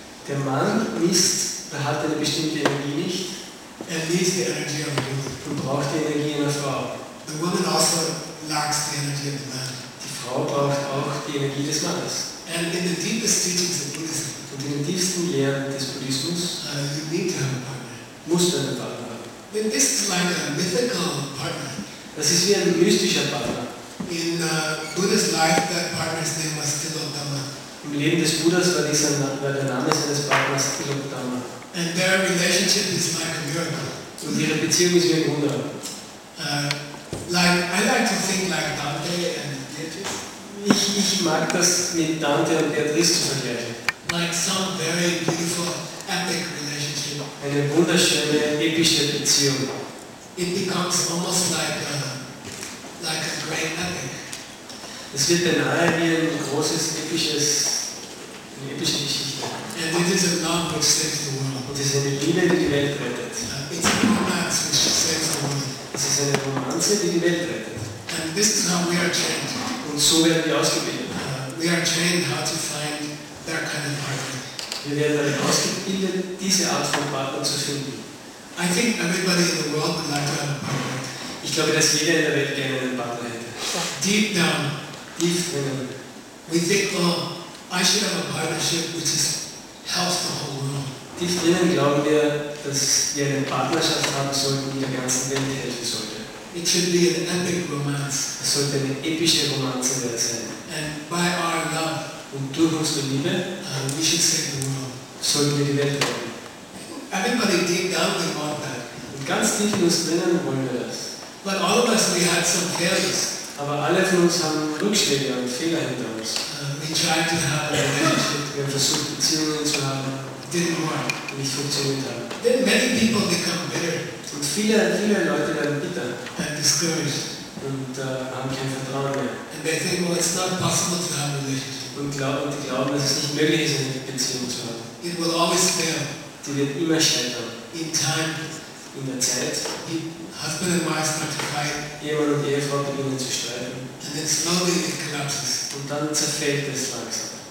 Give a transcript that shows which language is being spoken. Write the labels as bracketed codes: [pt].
[de] Der Mann ist, er hat eine bestimmte Energie nicht. Er [en] needs the energy of the woman. [de] Und braucht die Energie einer Frau. [en] The woman also lacks the energy of the man. [de] Die Frau braucht auch die Energie des Mannes. [en] And in the deepest teachings of Buddhism, [de] und in den tiefsten Lehren des Buddhismus, [en] you need to have a partner. [de] Musst du einen Partner haben. [en] Then this is like a mythical partner. [de] Das ist wie ein mystischer Partner. [en] In Buddha's life, that partner's name was Tilottama. [de] Im Leben des Buddhas war dieser Name seines Partners Tilottama. [en] And their relationship is like a miracle. [de] Und ihre Beziehung ist wie ein Wunder. [en] I like to think like Dante and Beatrice. [de] Ich mag das mit Dante und Beatrice zu vergleichen. [en] Like some very beautiful epic relationship. [de] Eine wunderschöne epische Beziehung. [en] It becomes almost like a great epic. [de] Es wird beinahe wie ein großes epische Geschichte. [en] And it is a love which saves the world. [de] Und es ist eine Liebe, die die Welt rettet. [en] It's a romance which saves the world. [de] Es ist eine Romanze, die die Welt rettet. [en] And this is how we are trained. [de] Und so werden wir ausgebildet. [en] We are trained how to find that kind of partner. [de] Wir werden darin ausgebildet, diese Art von Partner zu finden. [en] I think everybody in the world would like to have a partner. [de] Ich glaube, dass jeder in der Welt gerne einen Partner hätte. [en] Deep down, deep down, we think, oh, I should have a partnership which is helps the whole world. [de] Tief drinnen glauben wir, dass wir eine Partnerschaft haben sollten, die der ganzen Welt helfen sollte. [en] It should be an epic romance. [de] Es sollte eine epische Romanze sein. [en] And by our love, [de] und durch unsere Liebe, [en] we should save the world. [de] Sollten wir die Welt retten. [en] Everybody deep down, we want that. [de] Und ganz tief in uns drinnen wollen wir das. [en] But all of us, we had some failures. [de] Aber alle von uns haben Rückschläge und Fehler hinter uns. [en] We tried to have a relationship. [de] Wir haben versucht, Beziehungen zu haben. [en] Didn't work. [de] Die nicht funktioniert haben. [en] Then many people become bitter. [de] Und viele Leute werden bitter. [en] And discouraged. [de] Und haben kein Vertrauen mehr. [en] And they think, well, it's not possible to have a relationship. [de] Und die glauben, dass es nicht möglich ist, eine Beziehung zu haben. [en] It will always fail. [de] Die wird immer scheitern. [en] In time. [de] In der Zeit. [en] Husband and wife start to fight. [de] Ehemann und Ehefrau beginnen zu streiten. [en] And then slowly it collapses. [de] Und dann zerfällt es langsam.